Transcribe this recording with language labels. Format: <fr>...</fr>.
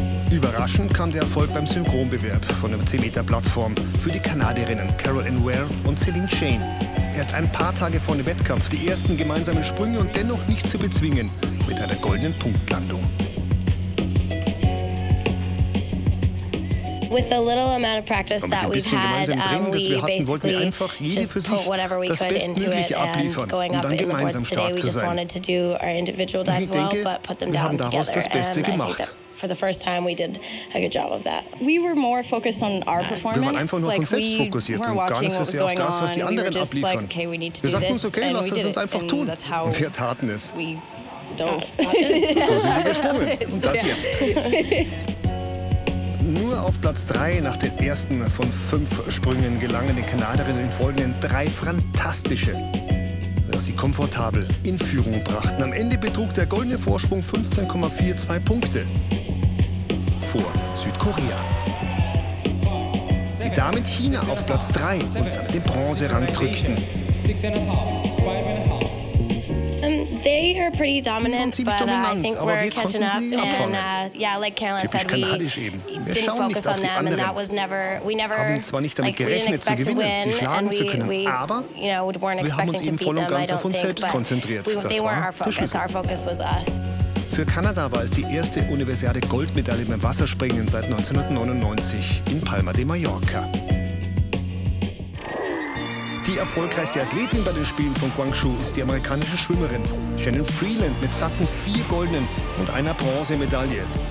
<de>Überraschend kam der Erfolg beim Synchronbewerb von der 10-Meter-Plattform für die Kanadierinnen Carol Ann Ware und Celine Shane. Erst ein paar Tage vor dem Wettkampf die ersten gemeinsamen Sprünge und dennoch nicht zu bezwingen mit einer goldenen Punktlandung.</de> <en>With the little amount of practice that we've had, we basically just put whatever we could into it and going up in the boards today. We just wanted to do our individual dives well, but put them down together. For the first time, we did a good job of that. We were more focused on our performance. Like, we weren't watching what was going on. We were just like, okay, we need to do this, and we did it. And that's how we dove.</en> <de>So sie gesprungen. Und das jetzt. Nur auf Platz 3 nach den ersten von 5 Sprüngen gelangen die Kanadierinnen im Folgenden 3 fantastische, dass sie komfortabel in Führung brachten. Am Ende betrug der goldene Vorsprung 15,42 Punkte vor Südkorea. Die Damen China auf Platz 3 und den Bronzerang drückten.</de> <en>They are pretty dominant, but I think we're catching up. And yeah, like Caroline said, we didn't focus on them, and that was never, we didn't expect to win, and we weren't expecting to beat them, I don't think, but they weren't our focus. Our focus was us.</en> <de>Für Kanada war es die erste Universiade Goldmedaille beim Wasserspringen seit 1999 in Palma de Mallorca. die erfolgreichste Athletin bei den Spielen von Guangzhou ist die amerikanische Schwimmerin Shannon Freeland mit satten 4 goldenen und einer Bronzemedaille.</de>